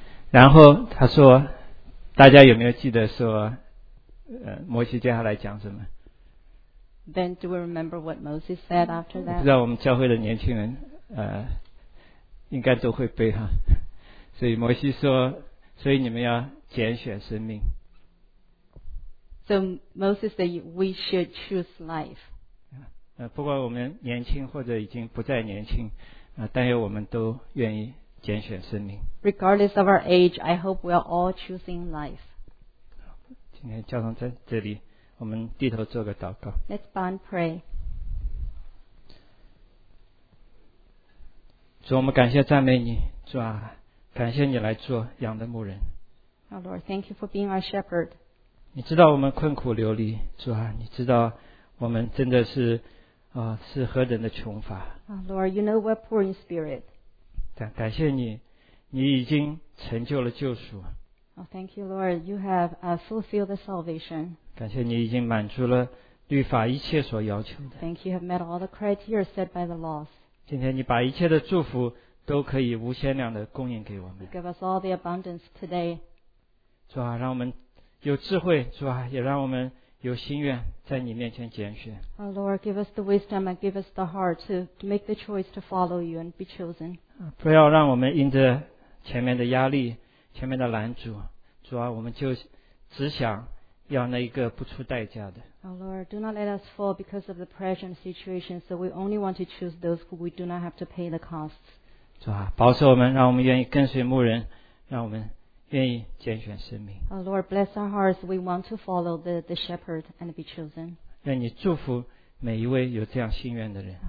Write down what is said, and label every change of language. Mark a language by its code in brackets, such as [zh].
[zh] 然后他说，大家有没有记得说，摩西接下来讲什么？ [en] Then do we remember what Moses said after that? [zh] 不知道我们教会的年轻人，应该都会背哈。所以摩西说，所以你们要拣选生命。 [en] So Moses said we should choose life. [zh] 不管我们年轻或者已经不再年轻，但愿我们都愿意拣选生命。 [en] Regardless of our age, I hope we are all choosing life. [zh] 今天教堂在这里。我们低头做个祷告。 [en] Let's bow and pray. [zh] 主，我们感谢赞美你，主啊，感谢你来做羊的牧人。 [en] Our Lord, thank you for being our shepherd. [zh] 你知道我们困苦流离，主啊，你知道我们真的是是何等的穷乏。 [en] Our Lord, you know we're poor in spirit. [zh] 感谢你，你已经成就了救赎。 [en] Oh, thank you, Lord. You have fulfilled the salvation. [zh] 感谢你已经满足了律法一切所要求的。 [en] Thank you, have met all the criteria set by the laws. [zh] 今天你把一切的祝福都可以无限量的供应给我们。 [en] You give us all the abundance today. [zh] 主啊，让我们有智慧，主啊，也让我们有心愿在你面前拣选。 [en] Oh, Lord, give us the wisdom and give us the heart to make the choice to follow you and be chosen. [zh] 不要让我们因着前面的压力。前面的拦阻，主啊，我们就只想要那一个不出代价的。 [en] Oh Lord, do not let us fall because of the pressure and situation. So we only want to choose those who we do not have to pay the costs. [zh] 主啊，保守我们，让我们愿意跟随牧人，让我们愿意拣选生命。 [en] Oh Lord, bless our hearts. We want to follow the shepherd and be chosen. [zh] 愿你祝福每一位有这样心愿的人。